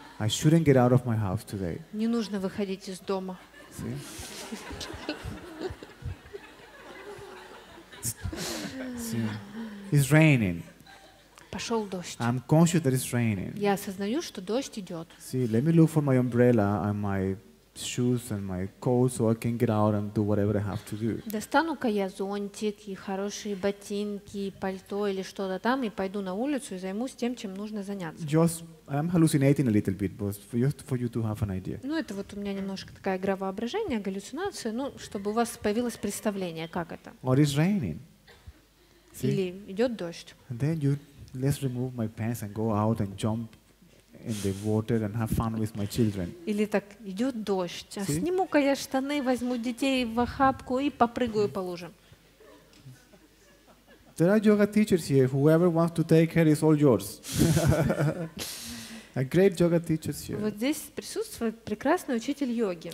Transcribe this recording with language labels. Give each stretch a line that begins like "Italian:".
English: I shouldn't get out of my house today.
Russian: Не нужно выходить из дома.
English: See? See? It's raining.
Russian: Пошел дождь.
English: I'm conscious that it's raining.
Russian: Я осознаю, что дождь идет.
English: See, let me look for my umbrella and my shoes and my coat so I can get out and do whatever I have to do.
Russian: Достану-ка я зонтик и хорошие ботинки, пальто или что-то там и пойду на улицу и займусь тем, чем нужно заняться.
English: Just I'm hallucinating a little bit, but just for you to have an idea.
Russian: Ну это вот у меня немножко такая игра воображения, галлюцинация, ну чтобы у вас появилось представление, как это.
English: Or it's raining.
Russian: Или идет дождь.
English: And then you let's remove my pants and go out and jump in the water and have fun with my children.
Russian: Или так, идет дождь. А сниму-ка я штаны, возьму детей в охапку и попрыгаю по лужам.
English: There are yoga teachers here. Whoever wants to take care is all yours. A great yoga teacher here.
Russian: Вот здесь присутствует прекрасный учитель йоги.